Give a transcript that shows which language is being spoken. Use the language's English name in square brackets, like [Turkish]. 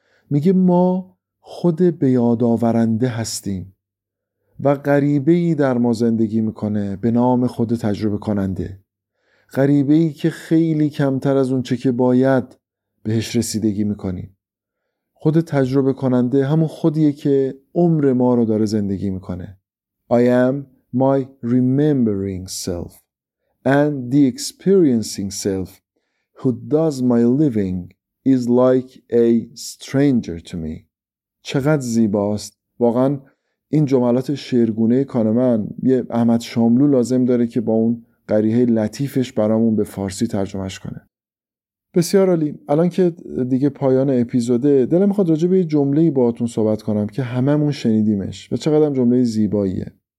[Persian] میگه ما خود بیاداورنده هستیم و غریبه‌ای در ما زندگی میکنه به نام خود تجربه کننده. غریبه‌ای که خیلی کمتر از اون چه که باید بهش رسیدگی میکنیم. خود تجربه کننده همون خودیه که عمر ما رو داره زندگی میکنه. [English] I am my remembering self and the experiencing self who does my living is like a stranger to me. [Persian] چقدر زیباست. واقعا این جملات شعرگونه کانمن یه احمد شاملو لازم داره که با اون قریحه لطیفش برامون به فارسی ترجمهش کنه. بسیار عالی. الان که دیگه پایان اپیزوده دلم میخواد راجع به یه جمله‌ای باهاتون صحبت کنم که هممون شنیدیمش و چقدرم جمله زیباییه.